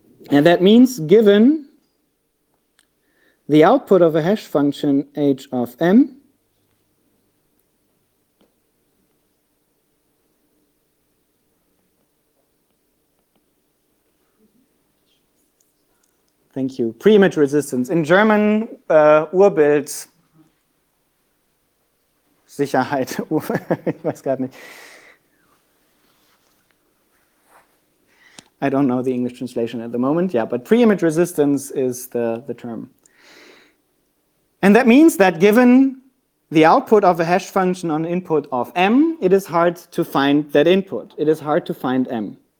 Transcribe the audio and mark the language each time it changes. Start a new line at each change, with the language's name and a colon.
English: And that means, given the output of a hash function h of m, thank you, pre-image resistance. In German,
German: Urbild, Sicherheit, ich weiß gar nicht.
English: I don't know the English translation at the moment, yeah, but pre-image resistance is the term. And that means that given the output of a hash function on input of m, it is hard to find that input. It is hard to find m.